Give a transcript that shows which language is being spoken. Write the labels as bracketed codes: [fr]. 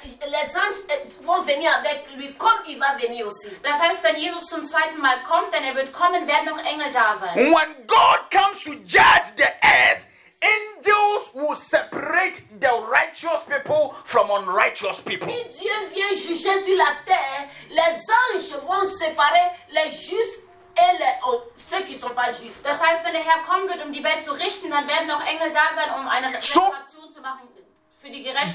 [fr] Les anges vont venir avec lui comme il va venir aussi. [de] Das heißt, wenn Jesus zum zweiten Mal kommt, denn er wird kommen, werden noch Engel da sein. [en] When God comes to judge the earth, angels will separate the righteous people from unrighteous people. [fr] Si Dieu vient juger sur la terre, les anges vont séparer les justes. [de] Das heißt, wenn der Herr kommen wird, um die Welt zu richten, dann werden noch Engel da sein, um eine Reparation zu machen für die Gerechten.